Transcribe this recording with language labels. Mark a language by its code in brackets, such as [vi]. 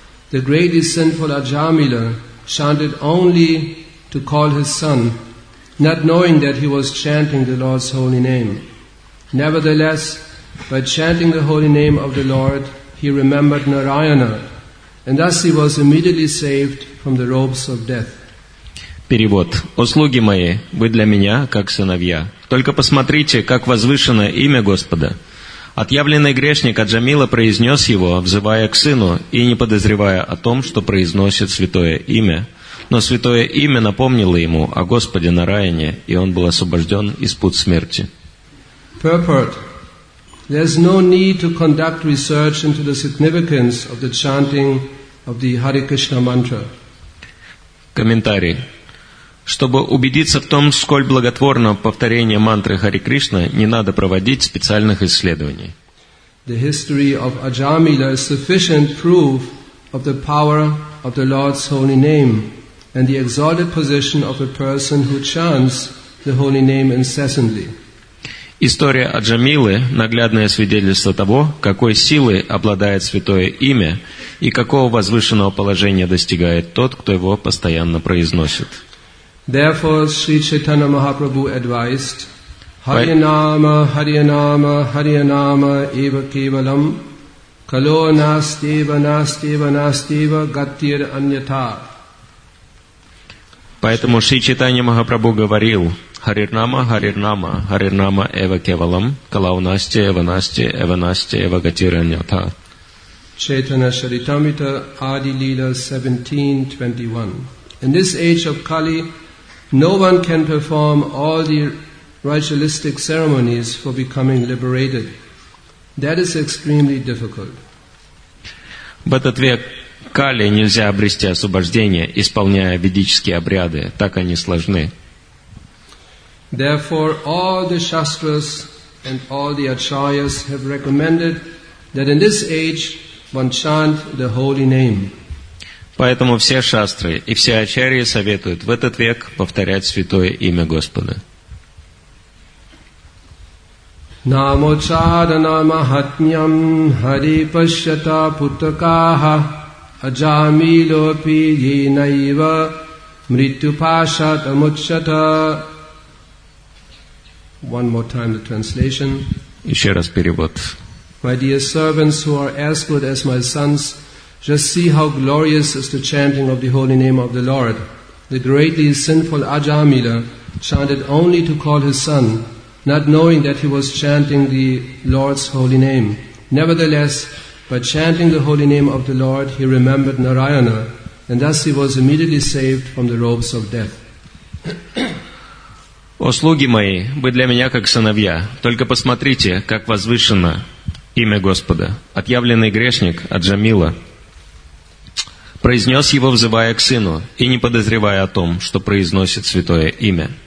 [en] The greatest sinful Ajamila chanted only to call his son, not knowing that he was chanting the Lord's holy name. Nevertheless, by chanting the holy name of the Lord, he remembered Narayana, and thus he was immediately saved from the robes of death. [ru] Перевод. «О слуги мои, вы для меня, как сыновья. Только посмотрите, как возвышено имя Господа». Отъявленный грешник Аджамила произнес его, взывая к сыну и не подозревая о том, что произносит святое имя. Но святое имя напомнило ему о Господе на Раяне, и он был освобожден из пут смерти. [en] Purport. There's no need to conduct research into the significance of the chanting of the Hare Krishna mantra. [ru] Комментарий. Чтобы убедиться в том, сколь благотворно повторение мантры Хари Кришна, не надо проводить специальных исследований. [en] The history of Ajamila is sufficient proof of the power of the Lord's holy name and the exalted position of a person who chants the holy name incessantly. [ru] История Аджамилы – наглядное свидетельство того, какой силой обладает святое имя и какого возвышенного положения достигает тот, кто его постоянно произносит. [en] Therefore, Sri Chaitanya Mahaprabhu advised, [sa] Harinama, Harinama, Harinama, Eva Kevalam, Kalo Nastiva, Nastiva, Nastiva, Gatir Anyata. [ru] Поэтому Sri Chaitanya Mahaprabhu говорил, [sa] Harinama, Harinama, Harinama, Eva Kevalam, Kalo Nastiva, Eva Nastiva, Eva Nastiva, Eva Gatir Anyata. [en] Chaitanya Charitamrita, Adi Lila 17:21. In this age of Kali, no one can perform all the ritualistic ceremonies for becoming liberated. That is extremely difficult. [ru] В этот век Кали нельзя обрести освобождение, исполняя ведические обряды. Так они сложны. [en] Therefore, all the Shastras and all the Acharyas have recommended that in this age one chant the holy name. [ru] Поэтому все шастры и все ачарьи советуют в этот век повторять святое имя Господа. [sa] Намочадана махатмьям хари пащата путакаха аджамило пи динаива мритю пашат амучата. [en] One more time the translation. [ru] Еще раз перевод. [en] My dear servants who are as good as my sons, just see how glorious is the chanting of the holy name of the Lord. The greatly sinful Ajamila chanted only to call his son, not knowing that he was chanting the Lord's holy name. Nevertheless, by chanting the holy name of the Lord, he remembered Narayana, and thus he was immediately saved from the robes of death. [ru] О слуги мои, вы для меня как сыновья. Только посмотрите, как возвышено имя Господа. Отъявленный грешник Аджамила произнес его, взывая к сыну, и не подозревая о том, что произносит святое имя.